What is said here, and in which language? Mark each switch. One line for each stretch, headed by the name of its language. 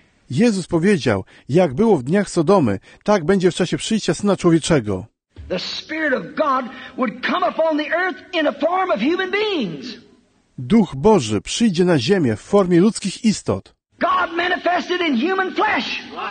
Polish: Jezus powiedział, jak było w dniach Sodomy, tak będzie w czasie przyjścia Syna Człowieczego.
English: The Spirit of God would come upon the earth in a form of human beings.
Polish: Duch Boży przyjdzie na ziemię w formie ludzkich istot.
English: God manifested in human flesh.